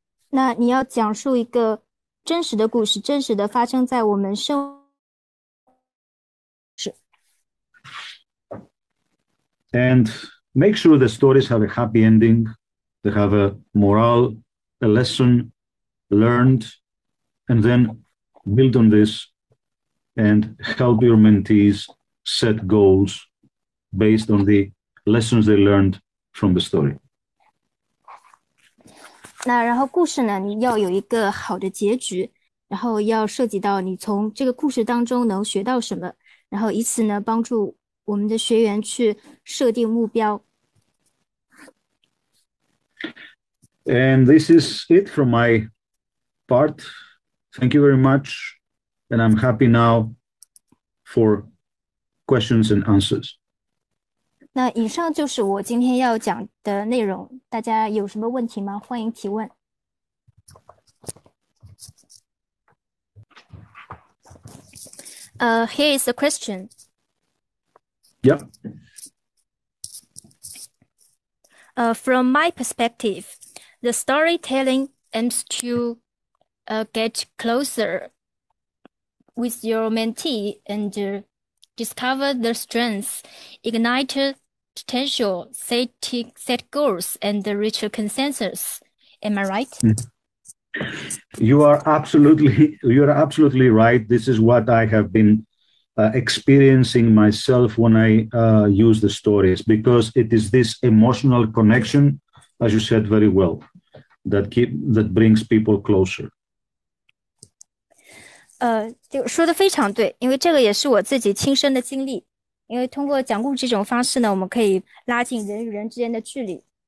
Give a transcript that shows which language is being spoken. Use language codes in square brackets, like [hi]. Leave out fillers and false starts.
[zh] 那你要讲述一个真实的故事，真实的发生在我们生。 [en] And make sure the stories have a happy ending, they have a moral, a lesson learned, and then build on this and help your mentees set goals based on the lessons they learned from the story. [zh] 那然后故事呢，你要有一个好的结局，然后要涉及到你从这个故事当中能学到什么，然后以此呢帮助我们的学员去设定目标。 [en] And this is it from my part. Thank you very much. And I'm happy now for questions and answers. [zh] 那以上就是我今天要讲的内容，大家有什么问题吗？欢迎提问。 [en] Here is the question. Yep. From my perspective, the storytelling aims to get closer with your mentee and discover their strengths, ignite potential, set goals, and reach a consensus. Am I right? You are absolutely right. This is what I have been experiencing myself when I use the stories, because it is this emotional connection, as you said very well, that brings people closer. [zh] 就说的非常对，因为这个也是我自己亲身的经历。因为通过讲故事这种方式呢，我们可以拉近人与人之间的距离。